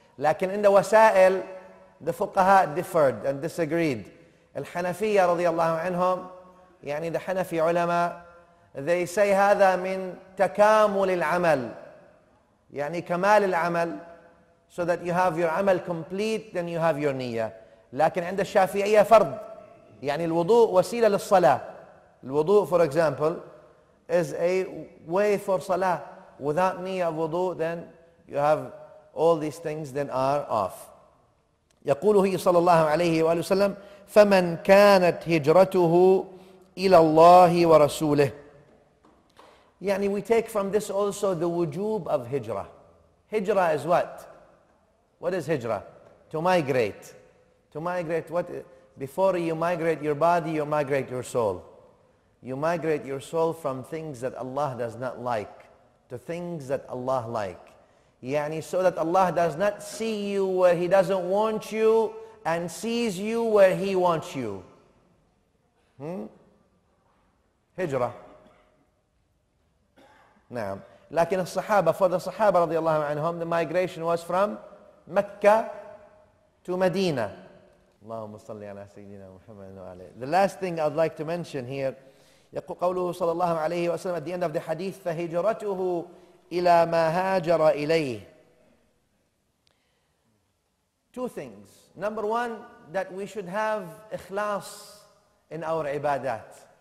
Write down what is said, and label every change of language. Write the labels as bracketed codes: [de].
[en] لكن in the wasail, the fuqaha differed and disagreed. [ar] Al-Hanafiyya radiallahu anhum, يعني [en] the Hanafi ulama, they say [ar] هذا من تكامل العمل, يعني كمال العمل, [en] so that you have your amal complete, then you have your niyyah. [ar] لكن عند الشافعية فرض. يعني الوضوء وسيلة للصلاة. [en] الوضوء, for example, is a way for salah. Without niyyah of wudu, then you have all these things, then are off. [ar] يقوله صلى الله عليه وآله وسلم, فمن كانت هجرته إلى الله ورسوله. [en] يعني we take from this also the wujub of hijra. Hijra is what? What is hijra? To migrate. To migrate what? Before you migrate your body, you migrate your soul. You migrate your soul from things that Allah does not like to things that Allah like. يعني so that Allah does not see you where He doesn't want you and sees you where He wants you. [ar] هجرة. نعم. لكن الصحابة, [en] for the صحابة [ar] رضي الله عنهم, [en] the migration was from مكة to Medina. [ar] اللهم صل على سيدنا محمد وعلى. [en] The last thing I'd like to mention here, [ar] يقول قوله صلى الله عليه وسلم [en] at the end of the hadith, [ar] فهجرته إلى ما هاجر إليه. [en] Two things. Number one, that we should have إخلاص in our عبادات.